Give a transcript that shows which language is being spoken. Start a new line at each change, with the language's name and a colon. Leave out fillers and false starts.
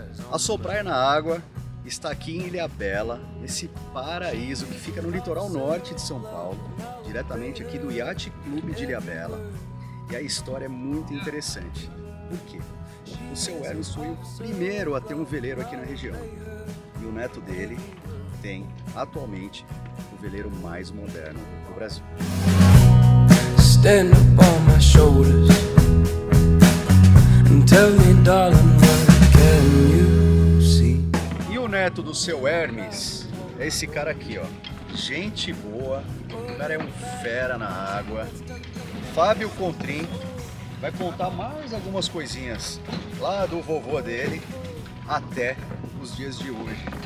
Portuguese: A sua praia na água está aqui em Ilhabela, nesse paraíso que fica no litoral norte de São Paulo, diretamente aqui do Yacht Club de Ilhabela. E a história é muito interessante. Por quê? O seu Hermes foi o primeiro a ter um veleiro aqui na região. E o neto dele tem, atualmente, o veleiro mais moderno do Brasil.
English: Stand up on my shoulders and tell me, darling, what can you see?
Portuguese: E o neto do seu Hermes é esse cara aqui, ó. Gente boa, o cara é um fera na água. Fábio Contrim vai contar mais algumas coisinhas lá do vovô dele até os dias de hoje.